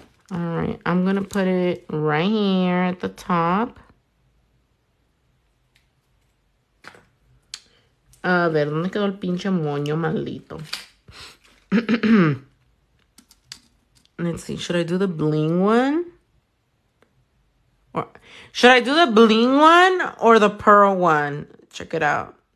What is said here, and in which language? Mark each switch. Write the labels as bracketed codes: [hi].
[en] All right, I'm gonna put it right here at the top. [es] A ver, ¿dónde quedó el pinche moño maldito? [en] Let's see, should I do the bling one? Or should I do the bling one or the pearl one? Check it out.